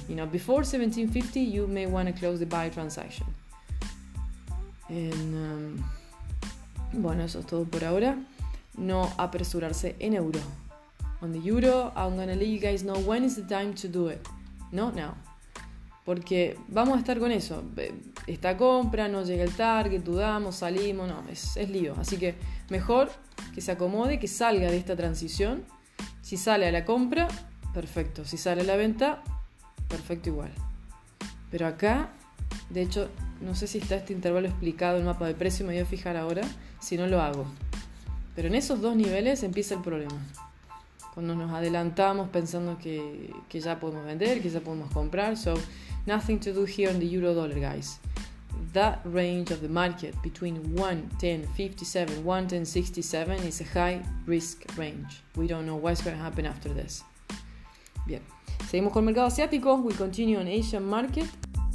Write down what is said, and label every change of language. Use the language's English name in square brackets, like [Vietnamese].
[English] You know, before 17.50, you may want to close the buy transaction. [Spanish] And, bueno, eso es todo por ahora. No apresurarse en euro. [English] On the euro, I'm going to let you guys know when is the time to do it. Not now. [Spanish] Porque vamos a estar con eso. Esta compra, no llega el target, dudamos, salimos. No, es lío. Así que mejor que se acomode, que salga de esta transición. Si sale a la compra, perfecto. Si sale a la venta, perfecto igual. Pero acá, de hecho, no sé si está este intervalo explicado en el mapa de precio. Me voy a fijar ahora si no lo hago. Pero en esos dos niveles empieza el problema. Cuando nos adelantamos pensando que ya podemos vender, que ya podemos comprar. [English] So, nothing to do here in the euro dollar, guys. That range of the market between 110.57 and 110.67 is a high risk range. We don't know what's going to happen after this. [Spanish] Bien. Seguimos con el mercado asiático. [English] We continue on Asian market.